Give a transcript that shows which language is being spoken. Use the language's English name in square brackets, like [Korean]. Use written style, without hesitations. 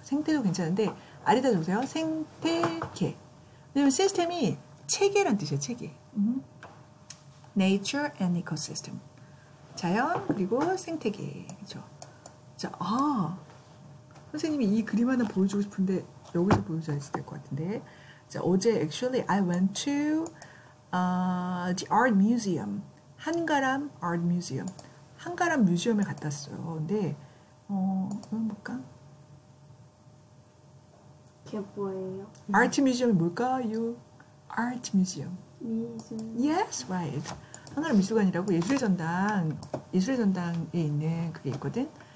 [Korean] 생태도 괜찮은데 아래다 적으세요. 생태계 왜냐면 시스템이 체계란 뜻이에요. [English] 체계. Nature and ecosystem. [Korean] 자연 그리고 생태계. 그렇죠. 자, 아 선생님이 이 그림 하나 보여주고 싶은데 여기서 보여줘야 될 것 같은데. 자, 어제 [English] actually I went to the art museum. 한가람 art museum. [Korean] 한가람 뮤지엄에 갔다 왔어요. 근데 한번 볼까? 뭐예요? 아트 뮤지엄이 뭘까요? 아트 뮤지엄. 미술. [English] Yes, right. [Korean] 한가람 미술관이라고 예술의 전당, 예술의 전당에 있는 그게 있거든.